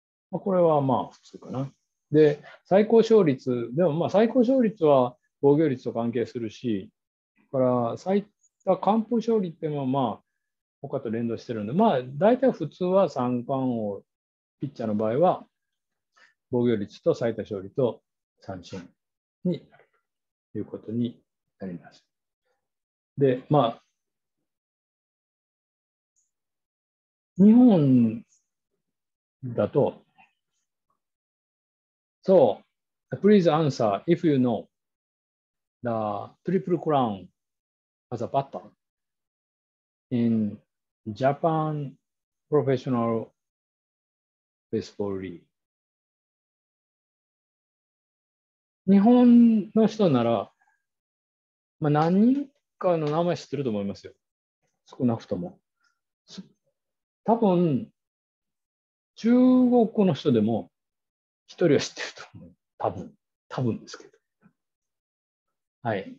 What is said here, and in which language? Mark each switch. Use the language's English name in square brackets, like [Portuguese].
[Japanese] まあ、これはまあ普通かな。で、最高勝率、でもまあ最高勝率は防御率と関係するし、から最多完封勝利ってのはまあ他と連動してるんで、まあ大体普通は三冠王、ピッチャーの場合は防御率と最多勝利と三振になるということになります。で、まあ、日本だと、 [English] So, please answer if you know the triple crown as a batter in Japan professional baseball league。 [Japanese] 日本の人なら、まあ、何人かの名前知ってると思いますよ、少なくとも。多分中国の人でも一人は知ってると思う。多分ですけど。はい。